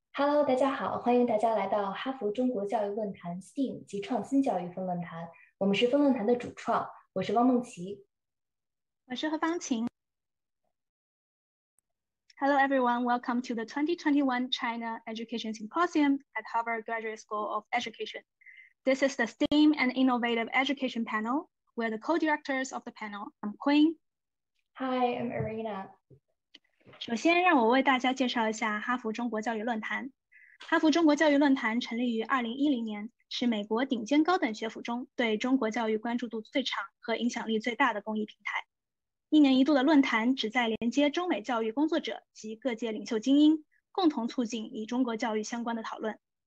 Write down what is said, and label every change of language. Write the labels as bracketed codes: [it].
[zh] Hello，大家好，欢迎大家来到哈佛中国教育论坛 STEAM 及创新教育分论坛。我们是分论坛的主创，我是汪梦琪。我是何方晴。 [en] Hello, everyone. Welcome to the 2021 China Education Symposium at Harvard Graduate School of Education. This is the STEAM and Innovative Education Panel. We're the co-directors of the panel. I'm Queen. Hi, I'm Irina. [zh] 首先，让我为大家介绍一下哈佛中国教育论坛。哈佛中国教育论坛成立于2010年，是美国顶尖高等学府中对中国教育关注度最强和影响力最大的公益平台。一年一度的论坛旨在连接中美教育工作者及各界领袖精英，共同促进与中国教育相关的讨论。